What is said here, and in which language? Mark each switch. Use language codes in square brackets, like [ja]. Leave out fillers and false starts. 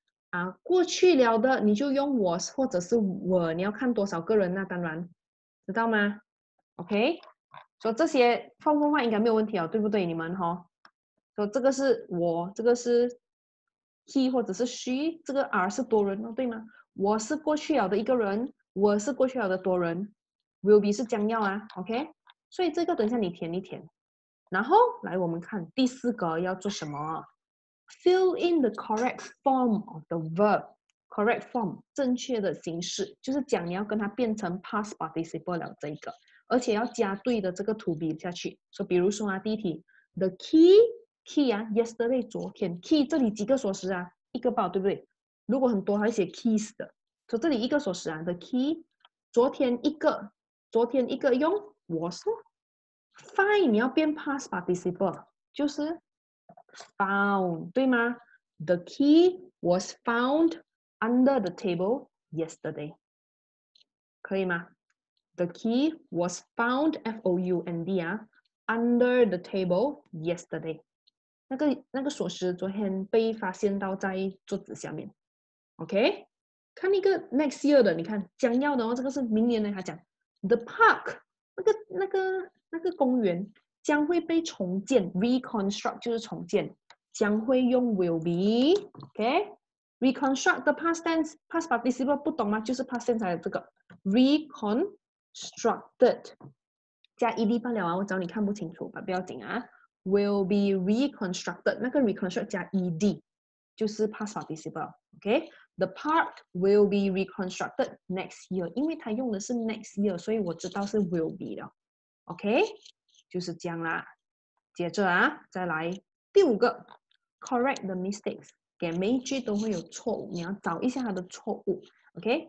[zh] 啊，过去了的你就用 was 或者是 were， 你要看多少个人那、啊、当然知道吗 ？OK， 所以这些放不放应该没有问题哦，对不对？你们哈，说这个是我，这个是 he 或者是 she， 这个 are 是多人哦，对吗？我是过去了的一个人 ，were 是过去了的多人 ，will be 是将要啊 ，OK， 所以这个等一下你填一填，然后来我们看第四个要做什么。 [en] Fill in the correct form of the verb. [zh] Correct form, 正确的形式，就是讲你要跟它变成 past participle 了这个，而且要加对的这个 to be 下去。 So, 比如说啊，第一题 ，the key 啊 ，yesterday 昨天 key 这里几个锁匙啊，一个包对不对？如果很多，它会写 keys 的。So, 这里一个锁匙啊 ，the key 昨天一个用 was fine， 你要变 past participle 就是。 [en] Found 对吗？The key was found under the table yesterday. 可以吗？The key was found F O U N D 啊 ，under the table yesterday. [zh] 那个锁匙昨天被发现到在桌子下面。 OK， 看一个 next year 的，你看将要的哦，这个是明年的。他讲 the park 那个公园。将会被重建 ，reconstruct 就是重建，将会用 will be， OK， reconstruct the past tense， past participle 不懂吗？就是 past tense 才有这个 reconstructed， 加 ed 罢了啊，我找你看不清楚，不要紧啊， will be reconstructed， 那个 reconstruct 加 ed 就是 past participle， OK， the park will be reconstructed next year，因为它用的是 next year， 所以我知道是 will be 了， OK。就是这样啦，接着啊，再来第五个 ，correct the mistakes， 给每一句都会有错误，你要找一下它的错误 ，OK？